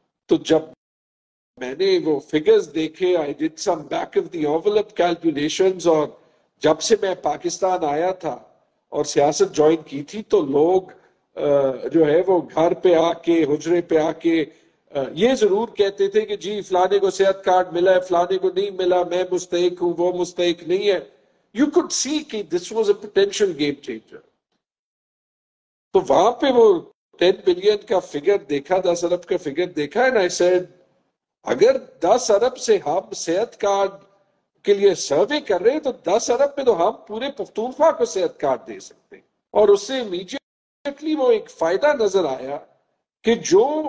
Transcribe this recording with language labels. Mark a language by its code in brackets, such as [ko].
[ur] تو جب میں نے وہ فگرز دیکھے, [en] I did some back of the envelope calculations, [ur] اور جب سے میں پاکستان آیا تھا اور سیاست جوائن کی تھی تو لوگ جو ہے وہ گھر پہ آ کے, حجرے پہ آ کے یہ ضرور کہتے تھے کہ جی فلانے کو صحت کارڈ ملا ہے, فلانے کو نہیں ملا, میں مستحق ہوں, وہ مستحق نہیں ہے. [en] You could see that this was a potential game changer. [ur] So, وہاں پہ وہ 10 billion کا figure دیکھا, 10 ارب کا figure دیکھا, [en] and I said, [ur] اگر 10 ارب سے ہم صحت کارڈ کے لیے سروے کر رہے ہیں تو 10 ارب میں تو ہم پورے پختونخوا کو صحت کارڈ دے سکتے, اور اس سے امیڈیٹلی وہ ایک فائدہ نظر آیا کہ جو